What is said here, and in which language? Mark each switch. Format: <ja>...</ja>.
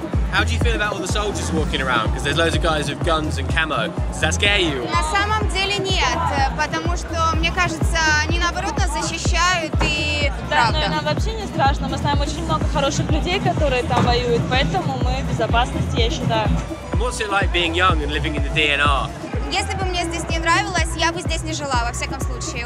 <en>How do you feel about all the soldiers walking around? Because there's loads of guys with guns and camo. Does that scare you?</en> <ru>На самом деле нет, потому что мне кажется, они наоборот нас защищают и правда. Да, но нам вообще не страшно. Мы знаем очень много хороших людей, которые там воюют, поэтому мы в безопасности, я считаю.</ru> <en>What's it like being young and living in the DNR?</en> <ru>Если бы мне здесь не нравилось, я бы здесь не жила во всяком случае.</ru>